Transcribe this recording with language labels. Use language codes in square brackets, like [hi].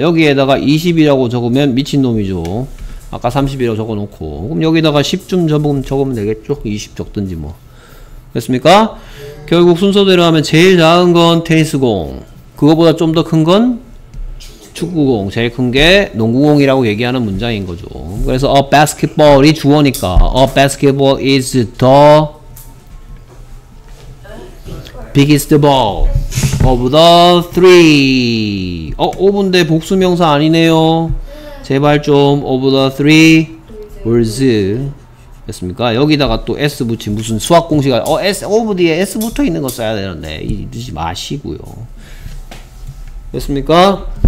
[ko] 여기에다가 20이라고 적으면 미친놈이죠. 아까 30이라고 적어놓고 그럼 여기다가 10쯤 적으면 되겠죠? 20 적든지 뭐 됐습니까? 결국 순서대로 하면 제일 작은 건 테니스공 그거보다 좀 더 큰 건 축구공 제일 큰 게 농구공이라고 얘기하는 문장인 거죠. 그래서 [en] a basketball이 [ko] 주어니까 [en] a basketball is the biggest ball of the three. [ko] 어? 5분대 복수명사 아니네요. 제발 좀 [en] of the three words [ko] 됐습니까? 여기다가 또 s 붙인 무슨 수학 공식을 s of 뒤에 s 붙어 있는 거 써야 되는데 이러지 마시고요. 됐습니까?